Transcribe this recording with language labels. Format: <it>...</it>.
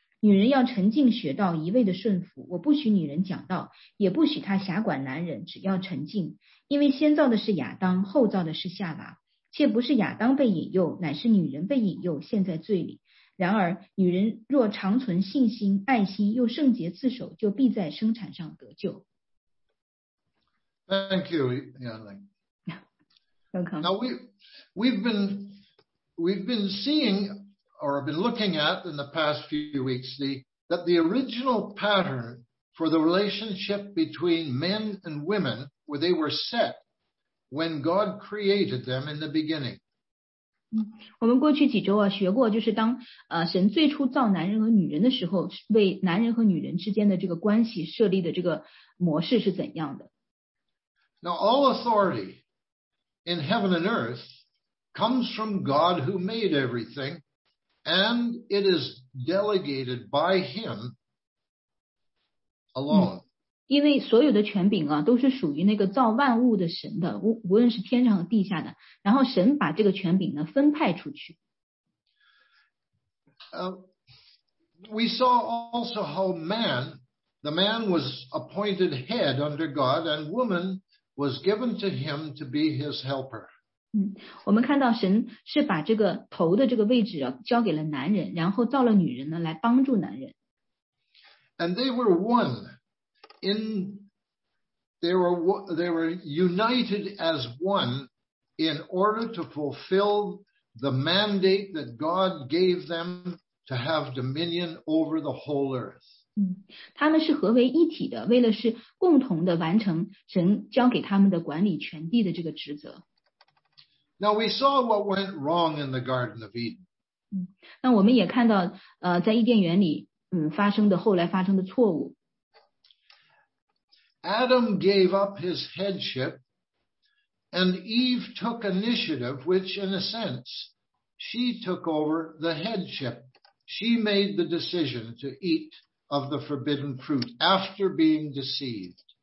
<zh>女人要沉静学道，一味的顺服，我不许女人讲道，也不许她辖管男人，只要沉静，因为先造的是亚当，后造的是夏娃，且不是亚当被引诱，乃是女人被引诱，陷在罪里。然而女人若长存信心、爱心又圣洁自守，就必在生产上得救。</zh> <en>Thank you, Yanling. Welcome. Now we've been seeing or been looking at in the past few weeks that the original pattern for the relationship between men and women where they were set when God created them in the beginning.</en> <zh>我们过去几周啊学过，就是当神最初造男人和女人的时候，为男人和女人之间的这个关系设立的这个模式是怎样的。</zh> <en>Now, all authority in heaven and earth comes from God who made everything, and it is delegated by Him alone.</en> <zh>因为所有的权柄啊，都是属于那个造万物的神的，无论是天上和地下的，然后神把这个权柄呢，分派出去。</zh> <en>We saw also how the man was appointed head under God, and woman was given to him to be his helper.</en> <zh>我们看到神是把这个头的这个位置交给了男人，然后造了女人呢，来帮助男人。</zh> <en>And they were one in, they were united as one in order to fulfill the mandate that God gave them to have dominion over the whole earth.</en> <zh>他们是合为一体的，为了是共同的完成神交给他们的管理全地的这个职责。</zh> <en>Now we saw what went wrong in the Garden of Eden.</en> <zh>那我们也看到在伊甸园里后来发生的错误。</zh> <en>Adam gave up his headship, and Eve took initiative, which in a sense, she took over the headship. She made the decision to eat of the forbidden fruit after being deceived.</en>